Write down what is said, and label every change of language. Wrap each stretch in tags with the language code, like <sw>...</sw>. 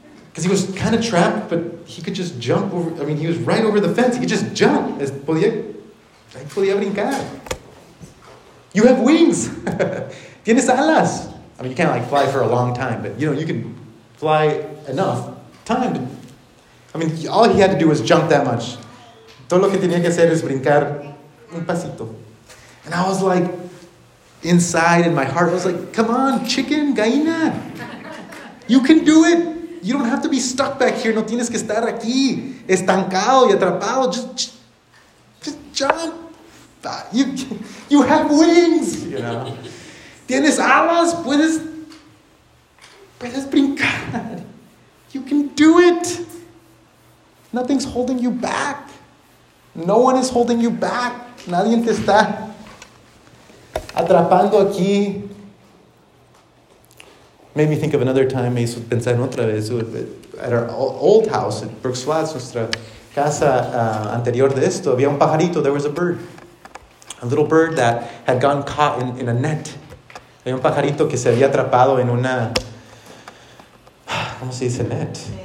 <en>Because he was kind of trapped, but he could just jump over. I mean, he was right over the fence. He could just jump.</en> <es>Podía brincar.</es> <en>You have wings.</en> <es>Tienes alas.</es> <en>I mean, you can't like fly for a long time, but you know, you can fly enough time. I mean, all he had to do was jump that much.</en> <es>Todo lo que tenía que hacer es brincar un pasito.</es> <en>And I was like, inside in my heart, I was like, come on, chicken, gallina. You can do it. You don't have to be stuck back here.</en> <es>No tienes que estar aquí, estancado y atrapado.</es> <en>Just jump. You have wings, you know.</en> <es>Tienes alas, puedes brincar.</es> <en>You can do it. Nothing's holding you back. No one is holding you back.</en> <es>Nadie te está atrapando aquí.</es> <en>Made me think of another time.</en> <es>Me hizo pensar en otra vez.</es> <en>At our old house at Brooks Flats,</en> <es>nuestra casa anterior de esto, había un pajarito.</es> <en>There was a bird. A little bird that had gone caught in a net.</en> <es>Hay un pajarito que se había atrapado en una, ¿cómo se dice net?</es>